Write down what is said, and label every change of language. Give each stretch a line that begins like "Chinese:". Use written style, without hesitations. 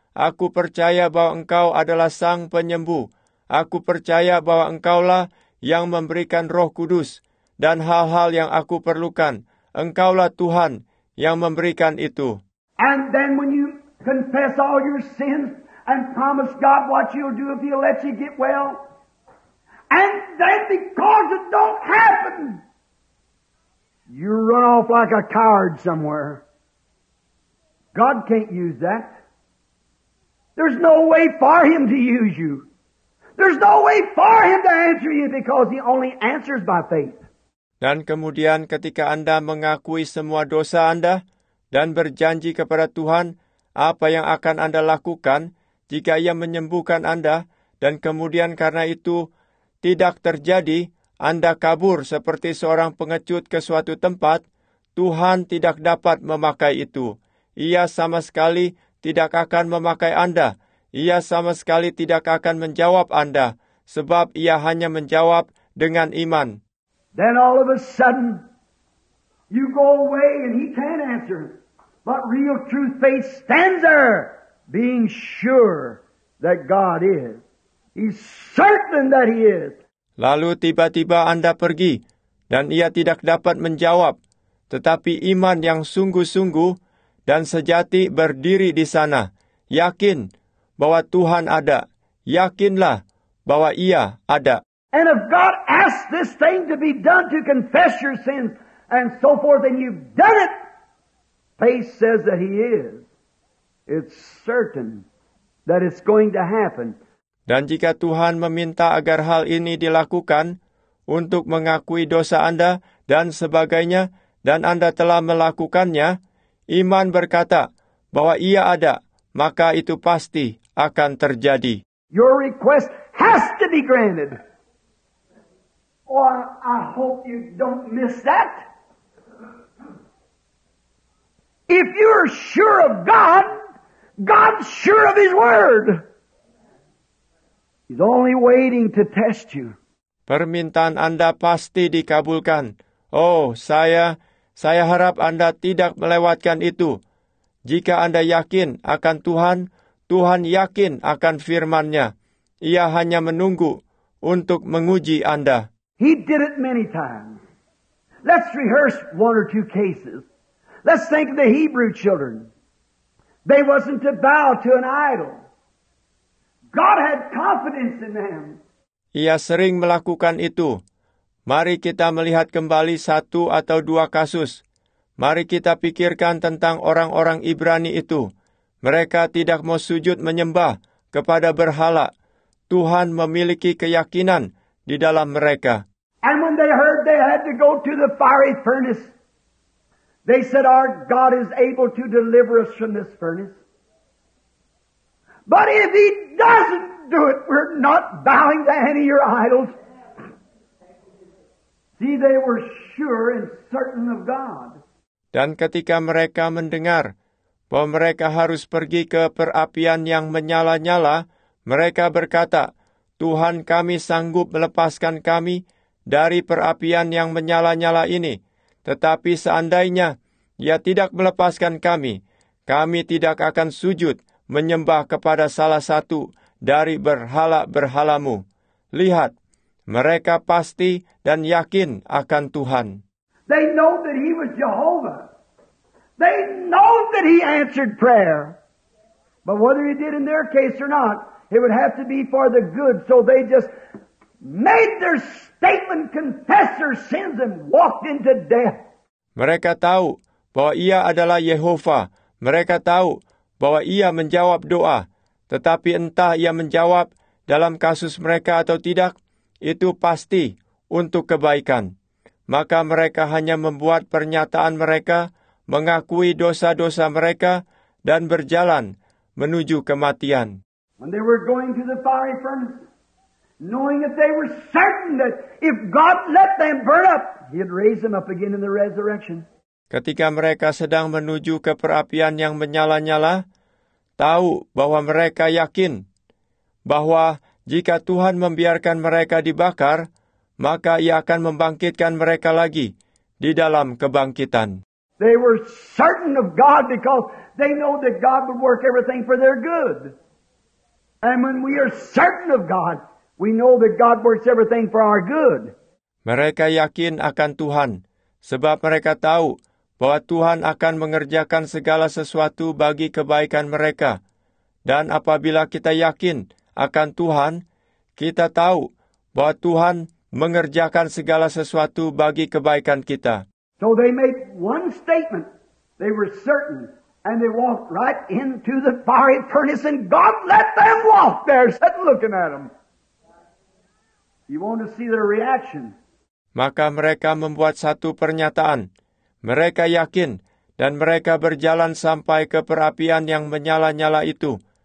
Indonesian: Aku percaya bahwa Engkau adalah Sang Penyembuh. Aku percaya bahwa Engkaulah yang memberikan Roh Kudus dan hal-hal yang aku perlukan. Engkaulah Tuhan yang memberikan itu."
English: And then when you confess all your sins and promise God what you'll do if He'll let you get well, and then because it don't happen, you run off like a coward somewhere. God can't use that. There's no way for Him to use you. There's no way for Him to answer you because He only answers by faith.
Indonesian: Dan kemudian ketika Anda mengakui semua dosa Anda dan berjanji kepada Tuhan, apa yang akan Anda lakukan jika Ia menyembuhkan Anda dan kemudian karena itu tidak terjadi, Anda kabur seperti seorang pengecut ke suatu tempat, Tuhan tidak dapat memakai itu. Ia sama sekali tidak akan memakai Anda. Ia sama sekali tidak akan menjawab Anda, sebab Ia hanya menjawab dengan iman.
English: Then all of a sudden, you go away and He can't answer. But real truth faith stands there, being sure that God is. He's certain that He is.
Indonesian: Lalu tiba-tiba Anda pergi, dan Ia tidak dapat menjawab. Tetapi iman yang sungguh-sungguh dan sejati berdiri di sana. Yakin bahwa Tuhan ada. Yakinlah bahwa Ia ada.
English: And if God asks this thing to be done to confess your sins and so forth, and you've done it, faith says that He is. It's certain that it's going to happen.
Indonesian: Dan jika Tuhan meminta agar hal ini dilakukan untuk mengakui dosa Anda dan sebagainya, dan Anda telah melakukannya, iman berkata bahwa ia ada, maka itu pasti akan terjadi.
English: Your request has to be granted. Or I hope you don't miss that. If you're sure of God, God's sure of His word. He's only waiting to test you.
Indonesian: Permintaan Anda pasti dikabulkan. Oh, saya harap Anda tidak melewatkan itu. Jika Anda yakin akan Tuhan, Tuhan yakin akan firman-Nya. Ia hanya menunggu untuk menguji Anda.
English: He did it many times. Let's rehearse one or two cases. Let's think of the Hebrew children. They wasn't to bow to an idol. God had confidence in them.
Indonesian: Ia sering melakukan itu. Mari kita melihat kembali satu atau dua kasus. Mari kita pikirkan tentang orang-orang Ibrani itu. Mereka tidak mau sujud menyembah kepada berhala. Tuhan memiliki keyakinan di dalam mereka.
English: And when they heard they had to go to the fiery furnace, they said, our God is able to deliver us from this furnace. But if He doesn't do it, we're not bowing to any of your idols. See, they were sure and certain of God.
Indonesian: Dan ketika mereka mendengar bahwa mereka harus pergi ke perapian yang menyala-nyala, mereka berkata, Tuhan kami sanggup melepaskan kami dari perapian yang menyala-nyala ini. Tetapi seandainya Ia tidak melepaskan kami, kami tidak akan sujud menyembah kepada salah satu dari berhala-berhalamu. Lihat, mereka pasti dan yakin akan Tuhan.
English: They know that He was Jehovah. They know that He answered prayer. But whether He did in their case or not, it would have to be for the good. So they just made their statement, confess their sins, and walked into death.
Indonesian: Mereka tahu bahwa Ia adalah Yehova. Mereka tahu bahwa Ia menjawab doa. Tetapi entah Ia menjawab dalam kasus mereka atau tidak, itu pasti untuk kebaikan. Maka mereka hanya membuat pernyataan mereka, mengakui dosa-dosa mereka, dan berjalan menuju kematian.
English: When they were going to the fiery furnace, knowing that they were certain that if God let them burn up, He'd raise them up again in the resurrection.
Indonesian: Ketika mereka sedang menuju ke perapian yang menyala-nyala, tahu bahwa mereka yakin bahwa jika Tuhan membiarkan mereka dibakar, maka Ia akan membangkitkan mereka lagi di dalam kebangkitan.
English: They were certain of God because they know that God would work everything for their good. And when we are certain of God, we know that God works everything for our good.
Indonesian: Mereka yakin akan Tuhan, sebab mereka tahu bahwa Tuhan akan mengerjakan segala sesuatu bagi kebaikan mereka. Dan apabila kita yakin akan Tuhan, kita tahu bahwa Tuhan mengerjakan segala sesuatu bagi kebaikan kita.
English: So they made one statement. They were certain. And they walked right into the fiery furnace and God let them walk there, sat looking at them. You want to see their reaction.
Indonesian: Maka mereka membuat satu pernyataan. Mereka yakin dan mereka berjalan sampai ke perapian yang menyala-nyala itu.